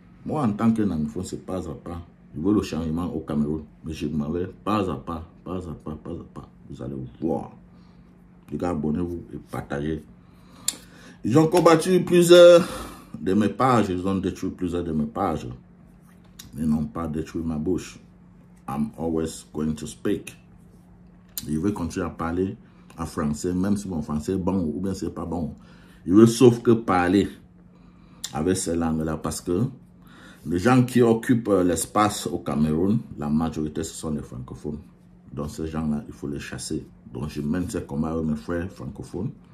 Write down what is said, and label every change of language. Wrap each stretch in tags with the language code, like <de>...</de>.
<fr>Moi, en tant qu'un enfant, c'est pas à pas. Je veux le changement au Cameroun. Mais je m'en vais pas à pas. Vous allez voir. Les gars, abonnez-vous et partagez. Ils ont combattu plusieurs de mes pages. Ils ont détruit plusieurs de mes pages. Ils n'ont pas détruit ma bouche.</fr> <en>I'm always going to speak.</en> <fr>Je veux continuer à parler en français, même si mon français est bon ou bien c'est pas bon. Je veux sauf que parler avec ces langues-là parce que les gens qui occupent l'espace au Cameroun, la majorité, ce sont les francophones. Donc ces gens-là, il faut les chasser. Donc je mène ce combat avec mes frères francophones.</fr>